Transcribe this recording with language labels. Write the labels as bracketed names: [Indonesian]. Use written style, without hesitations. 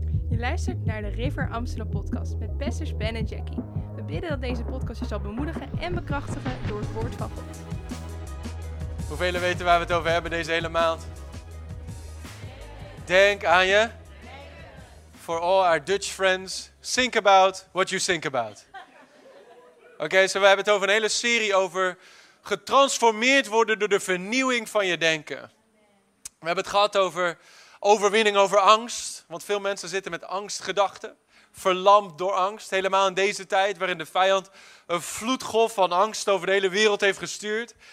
[Dutch] Je luistert naar de River Amsterdam podcast met Pesters Ben en Jackie. We bidden dat deze podcast je zal bemoedigen en bekrachtigen door het woord van God. Hoeveel weten waar we het over hebben deze hele maand? Denk aan je. [English] For all our Dutch friends, think about what you think about. [Dutch] Oké, so we hebben het over een hele serie over getransformeerd worden door de vernieuwing van je denken. We hebben het gehad over overwinning over angst, want veel mensen zitten met angstgedachten, verlamd door angst, helemaal in deze tijd waarin de vijand een vloedgolf van angst over de hele wereld heeft gestuurd.